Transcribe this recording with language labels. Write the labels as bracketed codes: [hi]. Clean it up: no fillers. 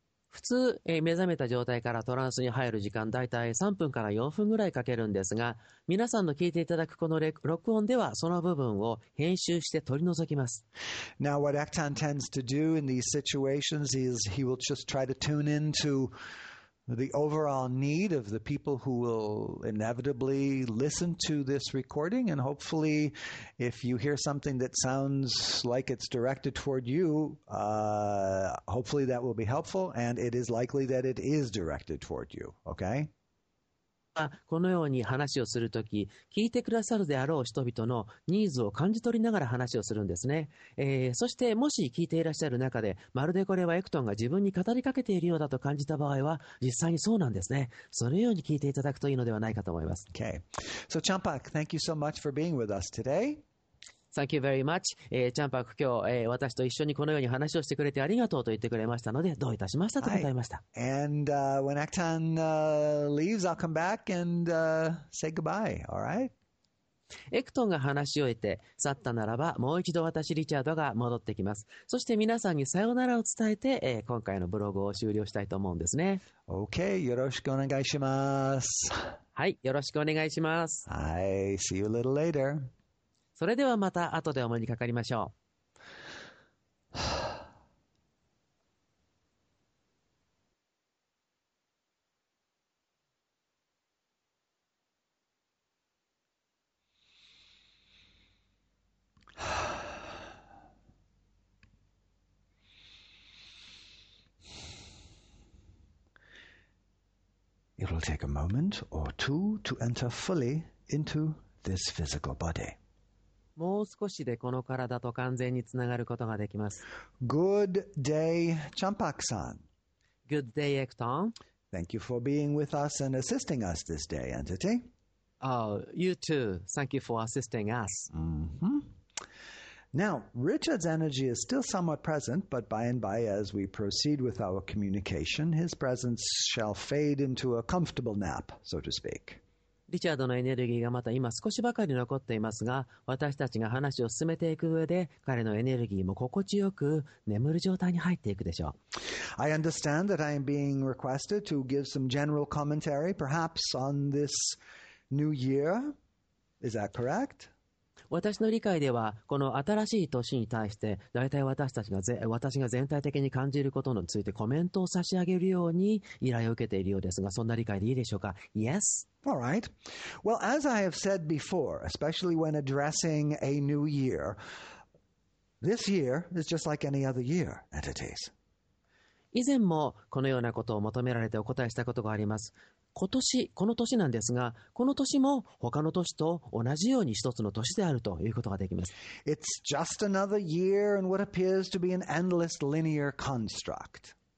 [ja] 普通、目覚めた状態からトランスに入る時間大体3分から4分ぐらいかけるんですが、皆さんの聞いていただくこの録音ではその部分を編集して取り除きます。 [en] Now, what Acton tends to do in these situations is he will just try to tune into the overall need of the people who will inevitably listen to this recording, and hopefully, if you hear something that sounds like it's directed toward you, hopefully that will be helpful, and it is likely that it is directed toward you, okay? [ja] このように話をするとき、聞いてくださるであろう人々のニーズを感じ取りながら話をするんですね。そしてもし聞いていらっしゃる中で、まるでこれはエクトンが自分に語りかけているようだと感じた場合は、実際にそうなんですね。そのように聞いていただくといいのではないかと思います。 [en] Okay. So, Champak, thank you so much for being with us today. Thank you very much. [ja] Champak, 今日、私と一緒にこのように話をしてくれてありがとうと言ってくれましたので、どういたしましたと答えました。 [en] Hi. And when Acton leaves, I'll come back and say goodbye, all right? [ja] エクトンが話し終えて去ったならば、もう一度私、リチャードが戻ってきます。そして皆さんにさよならを伝えて、今回のブログを終了したいと思うんですね。 Okay, よろしくお願いします。はい、よろしくお願いします。 [en] はい、see you a little later. [ja] それではまた後でお目にかかりましょう。 [en] It will take a moment or two to enter fully into this physical body. [ja] もう少しでこの体と完全につながることができます。 [en] Good day, Champak-san. Good day, Acton. Thank you for being with us and assisting us this day, entity. Oh, you too. Thank you for assisting us. Mm-hmm. Now, Richard's energy is still somewhat present, but by and by, as we proceed with our communication, his presence shall fade into a comfortable nap, so to speak. [ja] リチャードのエネルギーがまた今少しばかり残っていますが、私たちが話を進めていく上で、彼のエネルギーも心地よく眠る状態に入っていくでしょう。 [en] I understand that I am being requested to give some general commentary, perhaps on this new year. Is that correct? [ja] 私の理解では、この新しい年に対して、大体私が全体的に感じることについてコメントを差し上げるように依頼を受けているようですが、そんな理解でいいでしょうか ? [en] Yes? All right. Well, as I have said before, especially when addressing a new year, this year is just like any other year, entities. [ja] 以前もこのようなことを求められてお答えしたことがあります。今年、この年なんですが、この年も他の年と同じように一つの年であるということができます。 [en] It's just another year and what appears to be an endless linear construct.